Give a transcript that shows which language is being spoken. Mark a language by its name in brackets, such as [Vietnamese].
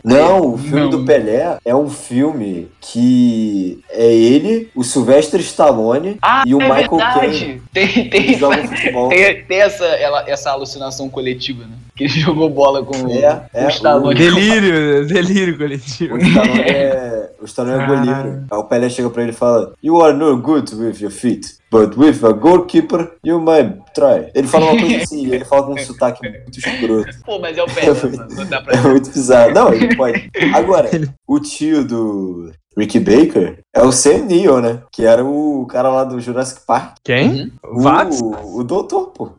[Portuguese] Não, o filme do Pelé é um filme que é ele, o Sylvester Stallone e o Michael Caine. Ah, é verdade. Tem essa alucinação coletiva, né? Que ele jogou bola com o Stallone. Delírio coletivo. O Stallone é goleiro. Aí o Pelé chega pra ele e fala, [English] you are no good with your feet, but with a goalkeeper, you might try. [Portuguese] Ele fala uma coisa assim, ele fala com um sotaque muito escroto. Pô, mas é o Pelé, mano. É muito bizarro. Não, ele pode. Agora, o tio do Rick Baker é o Sam Neill, né? Que era o cara lá do Jurassic Park. Quem? O doutor, pô.